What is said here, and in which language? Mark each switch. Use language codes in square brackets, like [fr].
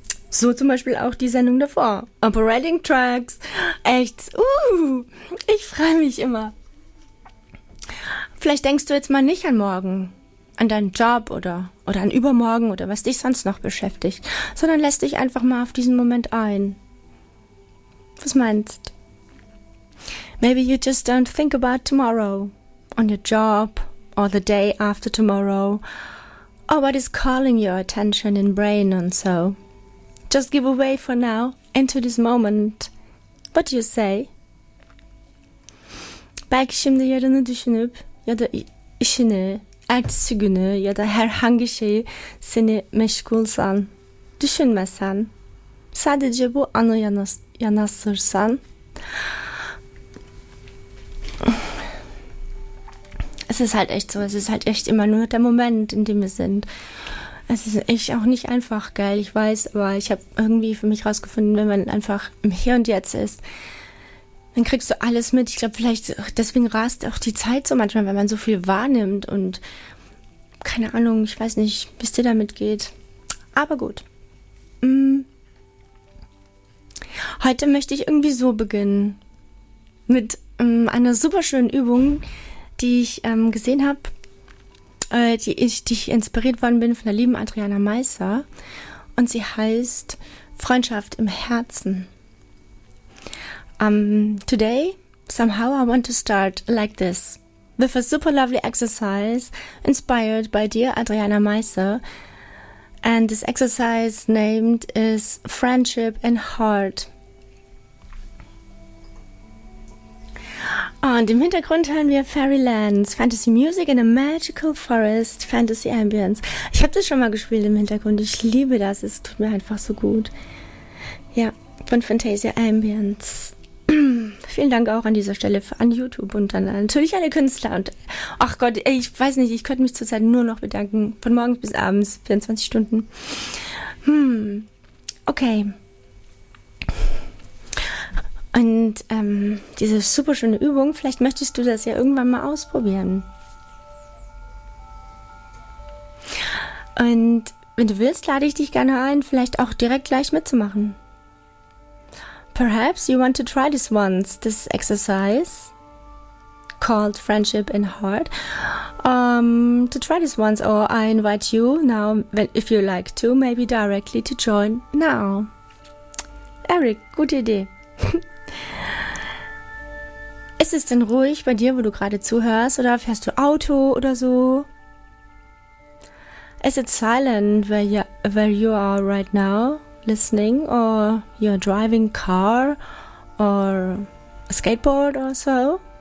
[de] So zum Beispiel auch die Sendung davor. Operating Tracks. Echt. Ich freue mich immer. Vielleicht denkst du jetzt mal nicht an morgen, an deinen Job oder an übermorgen oder was dich sonst noch beschäftigt, sondern lässt dich einfach mal auf diesen Moment ein. Was meinst? [en] Maybe you just don't think about tomorrow. On your job or the day after tomorrow. Or what is calling your attention in brain and so. Just give away for now, into this moment. What do you say? [tr] Belki şimdi yarını düşünüp ya da işini, ertesi günü ya da herhangi şeyi seni meşgulsan, düşünmesen, sadece bu anı yanaştırsan. [de] Es ist halt echt so, es ist halt echt immer nur der Moment, in dem wir sind. Es ist echt auch nicht einfach, gell? Ich weiß, aber ich habe irgendwie für mich rausgefunden, wenn man einfach im Hier und Jetzt ist, dann kriegst du alles mit. Ich glaube, vielleicht deswegen rast auch die Zeit so manchmal, wenn man so viel wahrnimmt und keine Ahnung, ich weiß nicht, wie es dir damit geht. Aber gut. Heute möchte ich irgendwie so beginnen. Mit einer super schönen Übung, die ich gesehen habe. Die ich inspiriert worden bin von der lieben Adriana Meisser und sie heißt Freundschaft im Herzen. [en] Today, somehow I want to start like this, with a super lovely exercise inspired by dear Adriana Meisser. And this exercise named is Friendship in Heart. [de] Und im Hintergrund hören wir Fairylands, Fantasy Music in a Magical Forest, Fantasy Ambience. Ich habe das schon mal gespielt im Hintergrund. Ich liebe das. Es tut mir einfach so gut. Ja, von Fantasia Ambience. Vielen Dank auch an dieser Stelle an YouTube und dann natürlich alle Künstler. Und ach Gott, ich weiß nicht, ich könnte mich zurzeit nur noch bedanken. Von morgens bis abends, 24 Stunden. Okay. Und diese super schöne Übung, vielleicht möchtest du das ja irgendwann mal ausprobieren. Und wenn du willst, lade ich dich gerne ein, vielleicht auch direkt gleich mitzumachen. [en] Perhaps you want to try this once, this exercise called Friendship in Heart. To try this once, or I invite you now, if you like to, maybe directly to join now. [de] Eric, gute Idee. Ist es denn ruhig bei dir, wo du gerade zuhörst, oder fährst du Auto oder so? [en] Is it silent where you are right now, listening, or you're driving car or a skateboard or so?